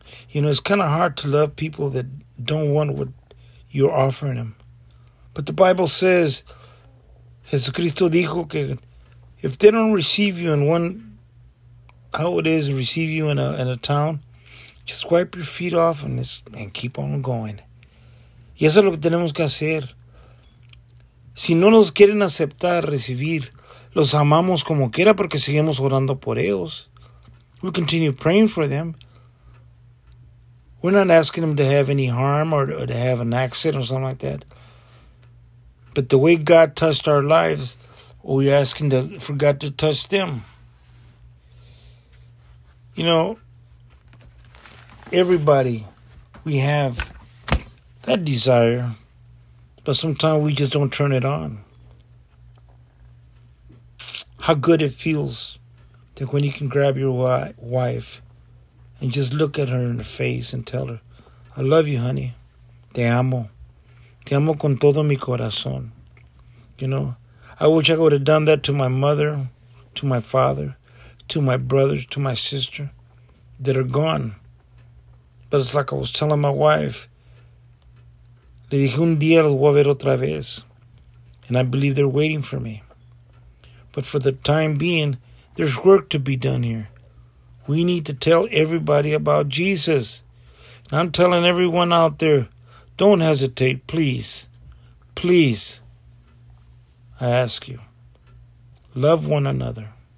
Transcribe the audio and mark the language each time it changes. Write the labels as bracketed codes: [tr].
[en] You know, it's kind of hard to love people that don't want what you're offering them. But the Bible says, [es] Jesucristo dijo que [en] if they don't receive you in one, how it is, receive you in a town, just wipe your feet off and keep on going. [es] Y eso es lo que tenemos que hacer. Si no nos quieren aceptar, recibir, los amamos como quiera porque seguimos orando por ellos. [en] We continue praying for them. We're not asking them to have any harm or to have an accident or something like that. But the way God touched our lives, we're asking for God to touch them. You know, everybody, we have that desire, but sometimes we just don't turn it on. How good it feels that when you can grab your wife and just look at her in the face and tell her, I love you, honey. [es] Te amo. Te amo con todo mi corazón. [en] You know, I wish I would have done that to my mother, to my father, to my brothers, to my sister that are gone. But it's like I was telling my wife. [es] Le dije, un día los voy a ver otra vez. [en] And I believe they're waiting for me. But for the time being, there's work to be done here. We need to tell everybody about Jesus. And I'm telling everyone out there, don't hesitate, please. Please. I ask you. Love one another.